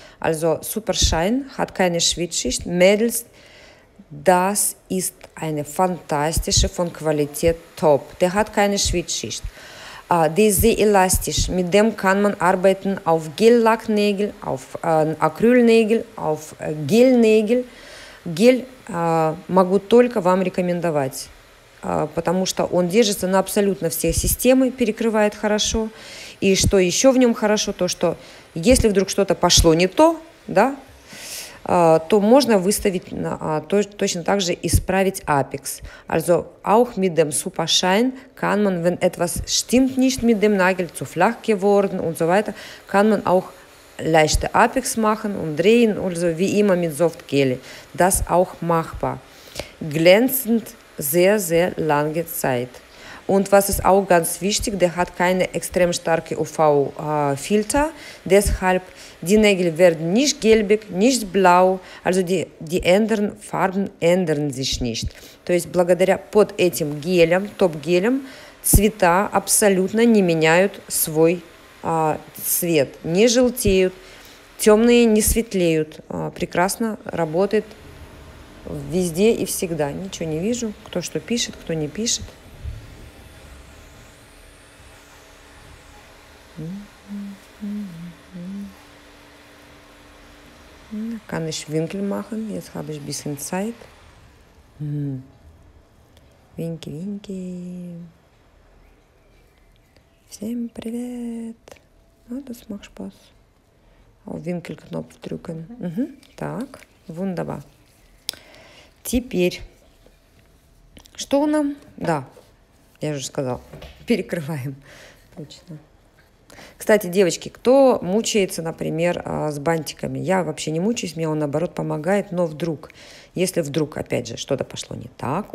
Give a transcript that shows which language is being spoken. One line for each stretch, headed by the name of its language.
German: Also Super Shine hat keine Schwitzschicht. Mädels, das ist eine fantastische von Qualität top. Der hat keine Schwitzschicht. Die ist sehr elastisch. Mit dem kann man arbeiten auf Gel-Lacknägel, auf Acrylnägel, auf Gelnägel.
Russian: Гель могу только вам рекомендовать. потому что он держится на абсолютно все системы, перекрывает хорошо. И что еще в нем хорошо, то что если вдруг что-то пошло не то, да, то можно выставить, точно так же исправить апекс.
German: Also auch mit dem Superschein kann man, wenn etwas stimmt nicht mit dem Nagel, zu flach geworden und so weiter, kann man auch leichte Apex machen und drehen, also wie immer mit Softgel. Das auch machbar. Glänzend sehr, sehr lange Zeit. Und was ist auch ganz wichtig, der hat keine extrem starke UV-Filter. Deshalb, die Nägel werden nicht gelbig, nicht blau. Also die Farben ändern sich nicht.
Russian: То есть благодаря под этим гелем, топ-гелем, цвета абсолютно не меняют свой цвет. Не желтеют, темные не светлеют. Прекрасно работает везде и всегда. Ничего не вижу, кто что пишет, кто не пишет.
German: Kann ich Winkel machen? Jetzt habe ich ein bisschen Zeit. Winki, winki.
Russian: Всем привет.
German: Ну, das macht Spaß. Auf Winkelknopf drücken. Mhm. Так, wunderbar.
Russian: Теперь, что нам? Да, я же сказала, перекрываем. Точно. Кстати, девочки, кто мучается, например, с бантиками? Я вообще не мучаюсь, мне он, наоборот, помогает. Но вдруг, если вдруг, опять же, что-то пошло не так.